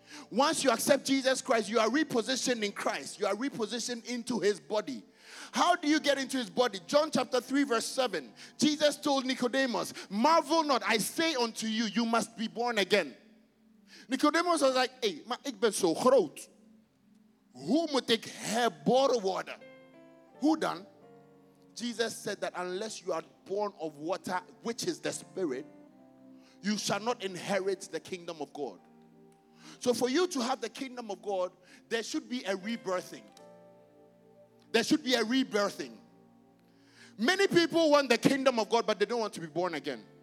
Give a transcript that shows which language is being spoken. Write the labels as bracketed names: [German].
[English] Once you accept Jesus Christ, you are repositioned in Christ. You are repositioned into his body. How do you get into his body? John chapter 3 verse 7. Jesus told Nicodemus, marvel not, I say unto you, you must be born again. Nicodemus was like, hey, [Dutch] maar ik ben zo groot. Hoe moet ik herboren worden? [English] Who dan? Jesus said that unless you are born of water, which is the Spirit, you shall not inherit the kingdom of God. So for you to have the kingdom of God, there should be a rebirthing. There should be a rebirthing. Many people want the kingdom of God, but they don't want to be born again.